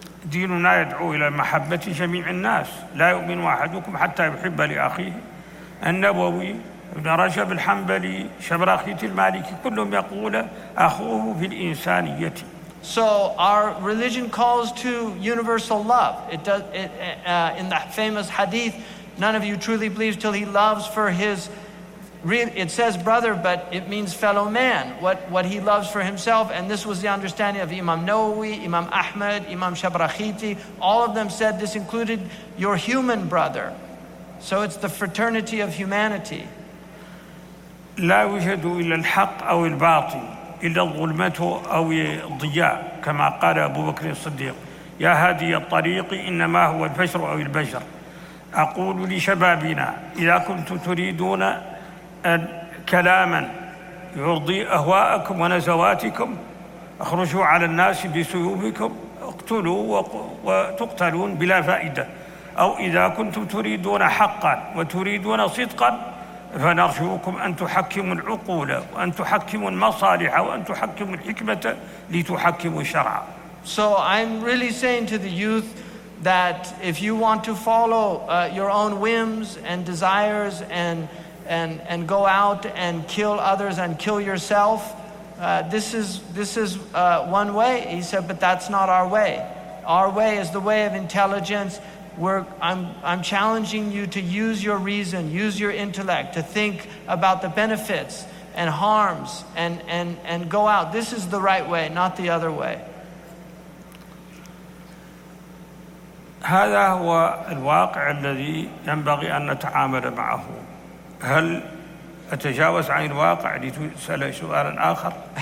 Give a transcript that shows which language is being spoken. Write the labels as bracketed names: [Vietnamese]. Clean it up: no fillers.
[Arabic] ديننا يدعو إلى محبة جميع الناس لا يؤمن أحدكم حتى يحب لأخيه النبوي ابن رجب الحنبلي شبراخية المالكي كلهم يقول أخوه في الإنسانية [English] So our religion calls to universal love. It does. In the famous hadith, none of you truly believes till he loves for his. It says brother, but it means fellow man. What he loves for himself, and this was the understanding of Imam Nawawi, Imam Ahmad, Imam Shabrakhiti. All of them said this included your human brother. So it's the fraternity of humanity. [Arabic] لا يوجد إلا الحق أو الباطل إلا الظلمة أو الضياء كما قال أبو بكر الصديق يا هادي الطريق إنما هو الفجر أو البجر أقول لشبابنا إذا كنتم تريدون كلاما يرضي أهواءكم ونزواتكم اخرجوا على الناس بسيوفكم اقتلوا وتقتلون بلا فائدة أو إذا كنتم تريدون حقا وتريدون صدقا فنرجوكم أن تحكموا العقول وأن تحكموا المصالح وأن تحكموا الحكمة لتحكموا الشرع. [English] So I'm really saying to the youth that if you want to follow your own whims and desires and go out and kill others and kill yourself, this is one way. He said, but that's not our way. Our way is the way of intelligence. I'm challenging you to use your reason, use your intellect, to think about the benefits and harms and go out. This is the right way, not the other way. [Arabic] هذا هو الواقع الذي ينبغي أن نتعامل معه. هل أتجاوز عن الواقع لتسأل سؤالا آخر؟